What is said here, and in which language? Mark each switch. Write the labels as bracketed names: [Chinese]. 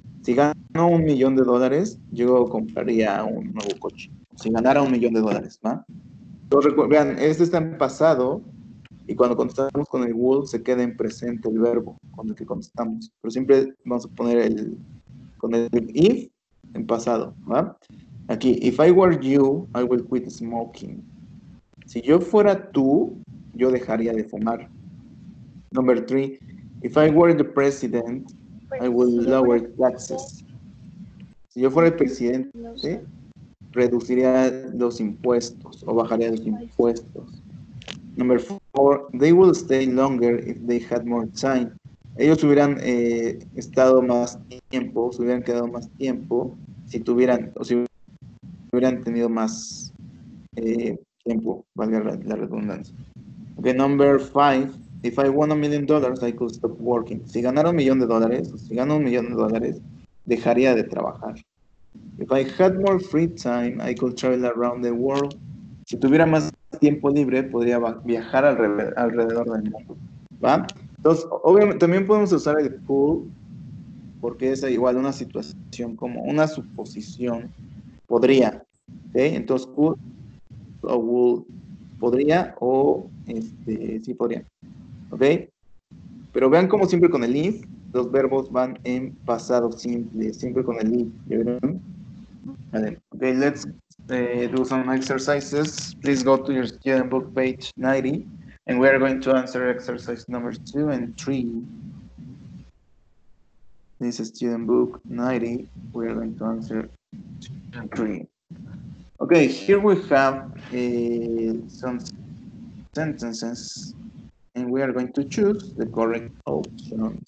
[Spanish] Si gano $1,000,000, yo compraría un nuevo coche. Si ganara $1,000,000, ¿va? Entonces, vean, este está en pasado. Y cuando contestamos con el would, se queda en presente el verbo con el que contestamos. Pero siempre vamos a poner el con el if en pasado, ¿va? [English] Aquí, if I were you, I will quit smoking. [Spanish] Si yo fuera tú, yo dejaría de fumar. [English] Number three, if I were the president, I will lower taxes. [Spanish] Si yo fuera el presidente, ¿sí? Reduciría los impuestos o bajaría los impuestos. [English] Number four, they will stay longer if they had more time. [Spanish] Ellos hubieran estado más tiempo, se hubieran quedado más tiempo si tuvieran, o si hubieran tenido más tiempo, valga la redundancia. [English] Okay, number five, if I won $1,000,000, I could stop working. [Spanish] Si ganara $1,000,000, si gano $1,000,000, dejaría de trabajar. [English] If I had more free time, I could travel around the world. [Spanish] Si tuviera más tiempo libre, podría viajar alrededor del mundo, ¿va? Entonces, obviamente, también podemos usar el could, porque es igual una situación como una suposición, podría, ¿ok? Entonces, could o would, podría o, sí podría, ¿ok? Pero vean como siempre con el if, los verbos van en pasado simple, siempre con el if, ¿ya vieron? [English] Vale, ok, let's do some exercises. Please go to your student book page 90, and we are going to answer exercise number 2 and 3. This is student book 90, we are going to answer 2 and 3. Ok, here we have some sentences, and we are going to choose the correct option.